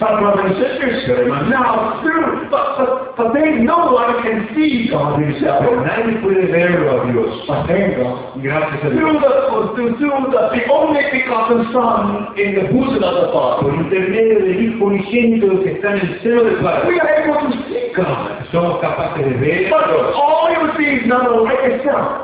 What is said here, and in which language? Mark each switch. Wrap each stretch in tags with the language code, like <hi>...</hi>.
<en>But brothers and sisters, now through, but then no one can see God himself.</en> <es>Nadie puede verlo a Dios.</es> <en>But thank God.</en> <es>Gracias a Dios.</es> <en>Through the only begotten Son in the bosom of the Father.</en> <es>Por intermedio del Hijo unigénito que está en el seno del Padre.</es> <en>We are able to see God.</en> <es>Somos capaces de ver.</es> <en>But all you see is not the light itself.</en>